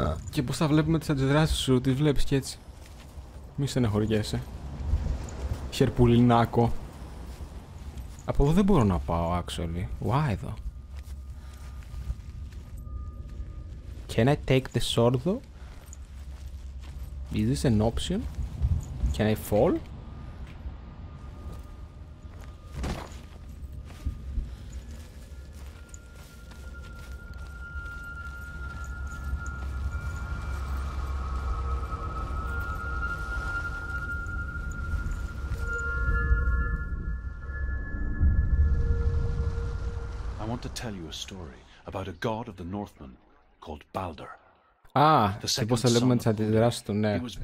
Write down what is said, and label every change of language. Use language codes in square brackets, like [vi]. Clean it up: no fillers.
[el] Και πώς θα βλέπουμε τις αντιδράσεις σου, τις βλέπεις κι έτσι. Μη στεναχωριέσαι. Χερπουλινάκο. Από εδώ δεν μπορώ να πάω, actually. [en] Why, though? Can I take the sword, though? Is this an option? Can I fall? I want to tell you a story about a god of the Northmen called Baldr. [el] Α, σε πώς θα λέμε τις αντιδράσεις του, ναι.